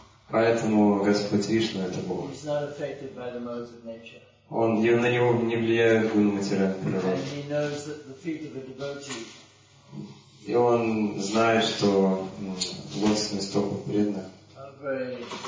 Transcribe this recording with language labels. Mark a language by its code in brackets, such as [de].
[ru] Поэтому Господь Вишну это Бог. [en] He's not affected by the modes of nature. [ru] Он, на него не влияет гуны материальной природы. И он знает, что лотосные стопы преданы.